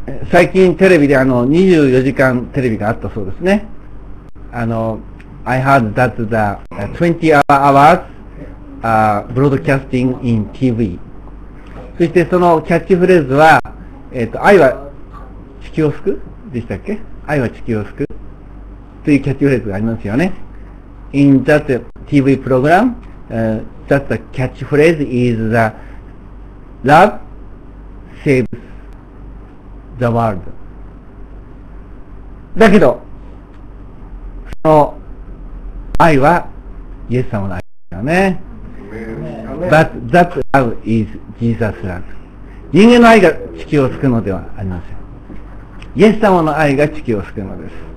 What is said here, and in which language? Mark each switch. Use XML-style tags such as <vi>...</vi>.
<ja>最近テレビで24時間テレビがあったそうですね。</ja> <en>I heard that the 20 hours broadcasting in TV。</en> <ja>そしてそのキャッチフレーズは、愛は地球を救うでしたっけ、愛は地球を救うというキャッチフレーズがありますよね。</ja> <en>In that TV program、that the catchphrase is the love saves the world。</en> <ja>だけどその愛はイエス様の愛だよね。</ja> <en>But that love is Jesus love。</en> <ja>人間の愛が地球を救うのではありません。イエス様の愛が地球を救うのです。</ja>